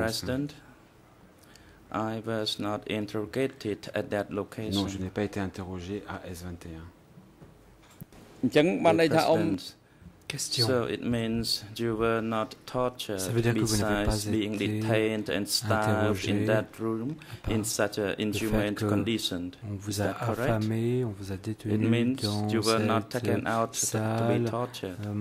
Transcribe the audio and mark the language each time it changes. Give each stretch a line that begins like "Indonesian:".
English: President, I was not interrogated at that location.
French: Non, je n'ai pas été interrogé à S21.
English: Question. So it means you were not tortured besides being detained and starved in that room in such an inhumane condition.
French: On vous a affamé, on vous a détenu.
English: It means you were not taken out to be tortured.